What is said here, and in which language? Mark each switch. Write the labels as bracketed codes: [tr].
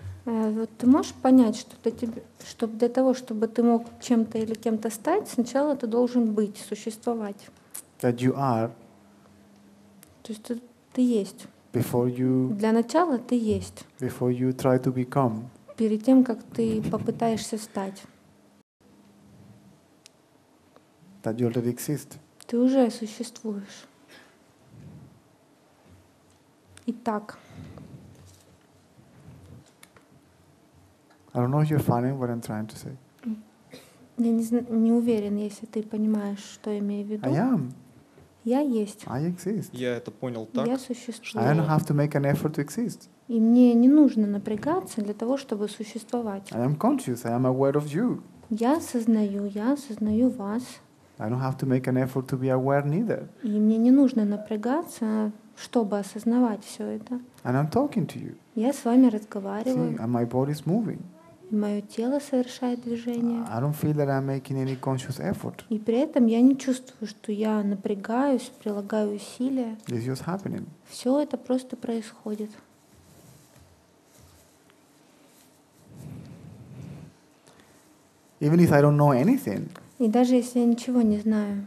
[ru] Вот ты можешь понять, что для того, чтобы ты мог чем-то или кем-то стать, сначала ты должен быть, существовать. [en] That you are. [ru] То есть ты есть. [en] Before you. [ru] Для начала ты есть. [en] Before you try to become. [ru] Перед тем, как ты попытаешься стать. [en] That you already exist. [ru] Ты уже существуешь. Итак. [en] I don't know if you're finding what I'm trying to say. [ru] Я не уверен, если ты понимаешь, что я имею в виду. [en] I am. [ru] Я есть. [en] I exist. [ru] Я это понял так. Я существую. [en] I don't have to make an effort to exist. [ru] И мне не нужно напрягаться для того, чтобы существовать. [en] I am conscious. I am aware of you. [ru] Я осознаю вас. [en] I don't have to make an effort to be aware neither. [ru] И мне не нужно напрягаться, чтобы осознавать все это. [en] And I'm talking to you. [ru] Я с вами разговариваю. [en] See, and my body's moving. [ru] Мое тело совершает движение. [en] I don't feel that I'm making any conscious effort. [ru] И при этом я не чувствую, что я напрягаюсь, прилагаю усилия. [en] It's just happening. [ru] Все это просто происходит. [en] Even if I don't know anything. [ru] И даже если я ничего не знаю.